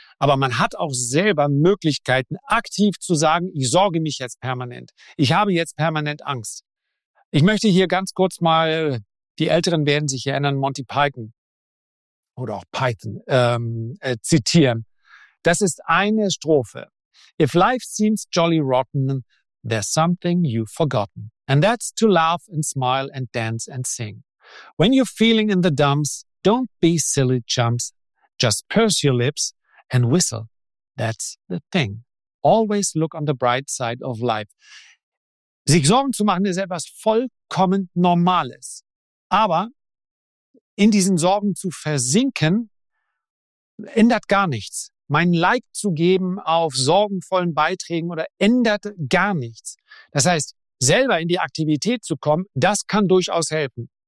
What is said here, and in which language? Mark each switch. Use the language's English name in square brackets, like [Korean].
[German] Aber man hat auch selber Möglichkeiten, aktiv zu sagen, ich sorge mich jetzt permanent. Ich habe jetzt permanent Angst. Ich möchte hier ganz kurz mal, die Älteren werden sich erinnern, Monty Python oder auch Python zitieren. Das ist eine Strophe. [English] If life seems jolly rotten, there's something you've forgotten. And that's to laugh and smile and dance and sing. When you're feeling in the dumps, don't be silly chumps. Just purse your lips and whistle. That's the thing. Always look on the bright side of life. [German] Sich Sorgen zu machen ist etwas vollkommen Normales. Aber in diesen Sorgen zu versinken, ändert gar nichts. Mein Like zu geben auf sorgenvollen Beiträgen oder ändert gar nichts. Das heißt, selber in die Aktivität zu kommen, das kann durchaus helfen.